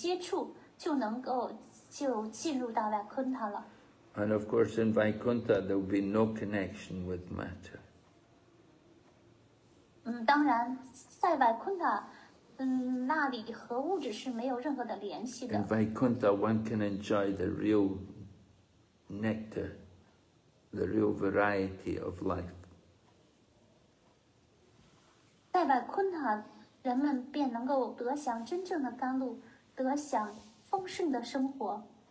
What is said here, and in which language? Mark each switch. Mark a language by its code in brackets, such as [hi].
[zh] 当一旦人们摆脱了所有对物质的接触，就能够 就进入到了昆塔了。 [en] And of course, in Vaikuntha, there will be no connection with matter. [zh] 当然，在Vaikuntha，那里和物质是没有任何的联系的。 [en] In Vaikuntha, one can enjoy the real nectar, the real variety of life. [zh] 在外昆塔，人们便能够得享真正的甘露，得享丰盛的生活。